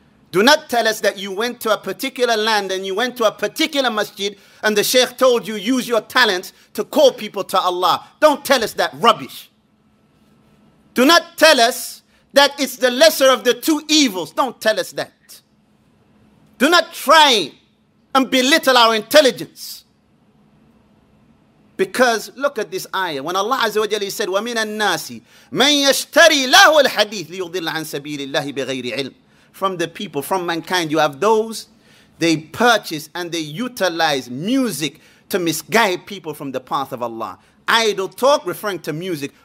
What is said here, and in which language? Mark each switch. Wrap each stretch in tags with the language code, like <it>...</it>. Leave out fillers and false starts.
<en>Do not tell us that you went to a particular land and you went to a particular masjid and the sheikh told you use your talents to call people to Allah. Don't tell us that rubbish. Do not tell us that it's the lesser of the two evils. Don't tell us that. Do not try and belittle our intelligence. Because look at this ayah. When Allah Azza wa Jalla said,</en> <ar>وَمِنَ النَّاسِ مَنْ يَشْتَرِي لَهُ الْحَدِيثِ لِيُضِلَّ عَنْ سَبِيلِ اللَّهِ بِغَيْرِ عِلْمٍ.</ar> <en>From the people, from mankind, you have those, they purchase and they utilize music to misguide people from the path of Allah. Idle talk, referring to music.</en>